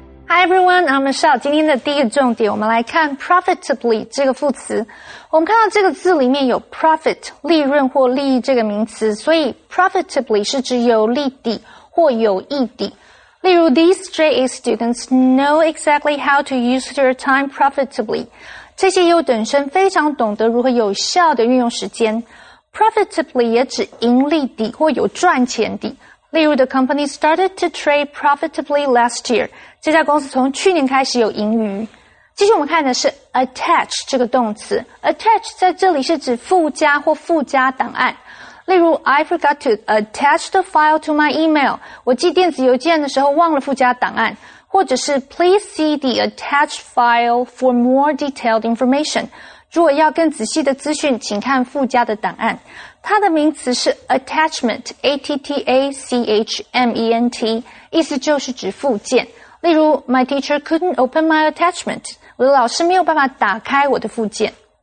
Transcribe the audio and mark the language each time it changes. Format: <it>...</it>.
<en>Hi everyone, I'm Michelle.</en> <zh>今天的第一个重点，我们来看 profitably 这个副词。我们看到这个字里面有 profit, 利润或利益这个名词，所以 profitably 是指有利底或有益底。例如</zh> <en>these JA students know exactly how to use their time profitably.</en> <zh>这些优等生非常懂得如何有效地运用时间。 Profitably 也指盈利底或有赚钱底。例如</zh> <en>the company started to trade profitably last year.</en> <zh>这家公司从去年开始有盈余。继续我们看的是 attach 这个动词。attach 在这里是指附加或附加档案。例如</zh> <en>I forgot to attach the file to my email.</en> <zh>我寄电子邮件的时候忘了附加档案。或者是</zh> <en>please see the attached file for more detailed information.</en> <zh>如果要更仔细的资讯请看附加的档案。它的名词是 attachment, A-T-T-A-C-H-M-E-N-T, 意思就是指附件。例如</zh> <en>my teacher couldn't open my attachment.</en> <zh>我的老师没有办法打开我的附件。</zh>